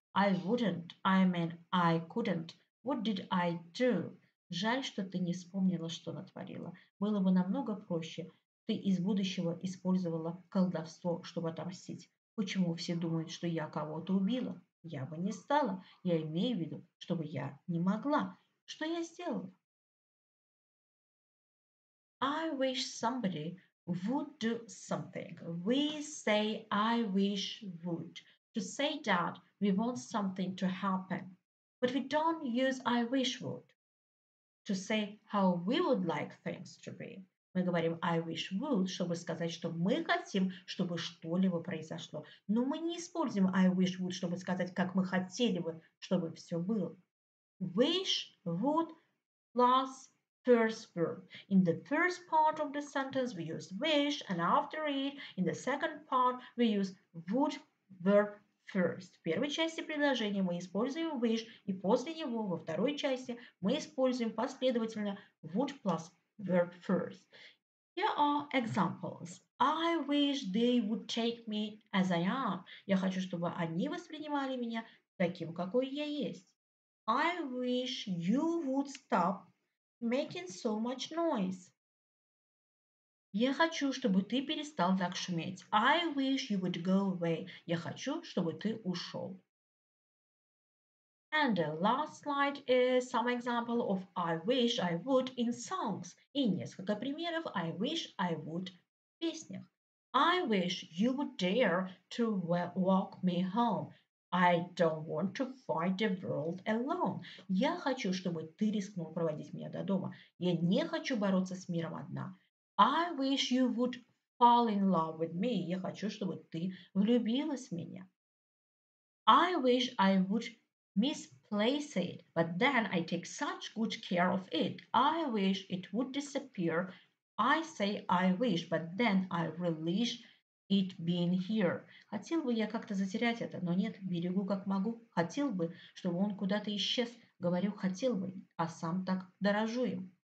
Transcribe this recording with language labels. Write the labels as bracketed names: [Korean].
[English] I wouldn't. I mean, I couldn't. What did I do? [Russian] Жаль, что ты не вспомнила, что натворила. Было бы намного проще. Ты из будущего использовала колдовство, чтобы отомстить. Почему все думают, что я кого-то убила? Я бы не стала. Я имею в виду, чтобы я не могла. Что я сделала? [English] I wish somebody would do something. We say, I wish would. To say that, we want something to happen. But we don't use I wish would. To say how we would like things to be. [Russian] Мы говорим I wish would, чтобы сказать, что мы хотим, чтобы что-либо произошло. Но мы не используем I wish would, чтобы сказать, как мы хотели бы, чтобы все было. [English] Wish would plus first verb. In the first part of the sentence, we use wish, and after it, in the second part, we use would verb first. [Russian] В первой части предложения мы используем wish, и после него, во второй части, мы используем последовательно would plus verb first. [English] Here are examples. I wish they would take me as I am. [Russian] Я хочу, чтобы они воспринимали меня таким, какой я есть. [English] I wish you would stop making so much noise. [Russian] Я хочу, чтобы ты перестал так шуметь. [English] I wish you would go away. [Russian] Я хочу, чтобы ты ушел. [English] And the last slide is some example of I wish, I would in songs. [Russian] И несколько примеров I wish, I would в песнях. [English] I wish you would dare to walk me home. I don't want to fight the world alone. [Russian] Я хочу, чтобы ты рискнул проводить меня до дома. Я не хочу бороться с миром одна. [English] I wish you would fall in love with me. [Russian] Я хочу, чтобы ты влюбилась в меня. [English] I wish I would misplace it, but then I take such good care of it. I wish it would disappear. I say I wish, but then I relish it being here. [Russian] Хотел бы я как-то затерять это, но нет, берегу как могу. Хотел бы, чтобы он куда-то исчез. Говорю, хотел бы, а сам так дорожу им.